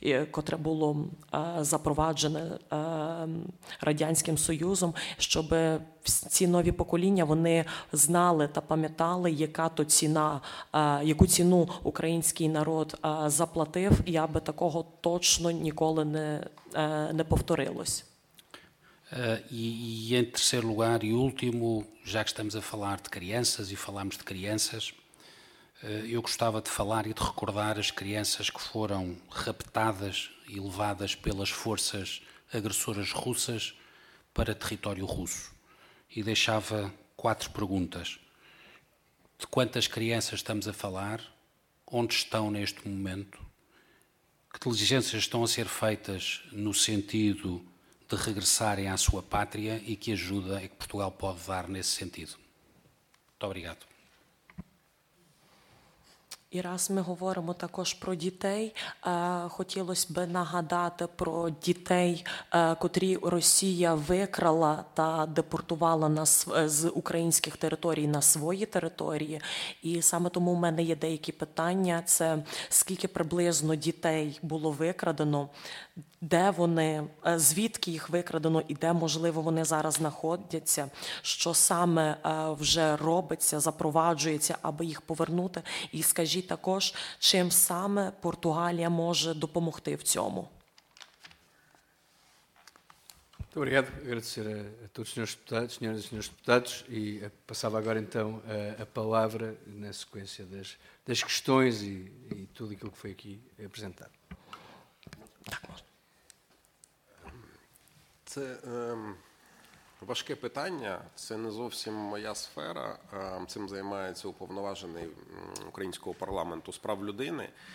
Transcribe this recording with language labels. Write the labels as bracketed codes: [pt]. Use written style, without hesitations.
[uk] котре було запроваджене Радянським Союзом, щоб ці нові покоління вони знали та пам'ятали, яка то ціна, яку ціну український народ заплатив, і аби такого точно ніколи не повторилось. І [pt] em terceiro lugar, e último, já que estamos a falar de crianças e falamos de crianças, eu gostava de falar e de recordar as crianças que foram raptadas e levadas pelas forças agressoras russas para território russo. E deixava quatro perguntas. De quantas crianças estamos a falar? Onde estão neste momento? Que diligências estão a ser feitas no sentido de regressarem à sua pátria e que ajuda é que Portugal pode dar nesse sentido? Muito obrigado. [uk] І раз ми говоримо також про дітей, хотілося б нагадати про дітей, котрі Росія викрала та депортувала нас з українських територій на свої території. І саме тому в мене є деякі питання. Це скільки приблизно дітей було викрадено, де вони, звідки їх викрадено і де, можливо, вони зараз знаходяться, що саме вже робиться, запроваджується, аби їх повернути. І скажіть також, чим саме Португалія може допомогти в цьому? Добре, я [pt] agradecer a todos os deputados, senhoras e senhores deputados, e passava agora então a palavra na sequência das questões e tudo aquilo que foi aqui apresentado. [uk] Це важке питання, це не зовсім моя сфера, цим займається уповноважений українського парламенту з прав людини.